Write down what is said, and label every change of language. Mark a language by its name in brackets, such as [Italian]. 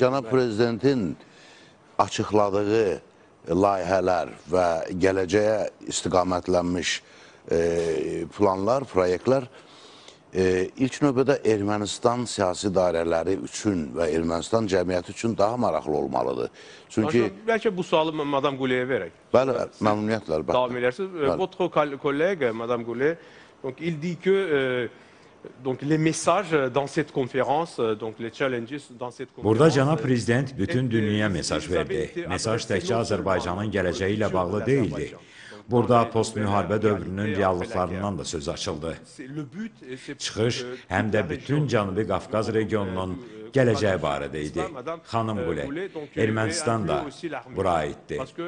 [Azerbaijani] Cənab prezidentin açıqladığı layihələr və gələcəyə istiqamətlənmiş planlar, proyektlər, İlk növbədə Ermənistan siyasi dairələri üçün və Ermənistan cəmiyyəti üçün daha maraqlı olmalıdır. Çünki bəlkə bu sualı Madam Guleyə verək. Bəli, məmnuniyyətlə. Davam edərsiniz. [French] Votre collègue, Madam Guley, il dit que les messages dans cette conférence, les challenges dans cette conférence. [Azerbaijani] Burada cənab prezident bütün dünyaya mesaj verdi. Mesaj təkcə Azərbaycanın gələcəyi ilə bağlı deyildi. Burada post-müharibə dövrünün reallıqlarından da söz açıldı. Çıxış həm də bütün Cənubi Qafqaz regionunun gələcəyi barədə idi. Xanım Qule, Ermənistan da bura aiddi.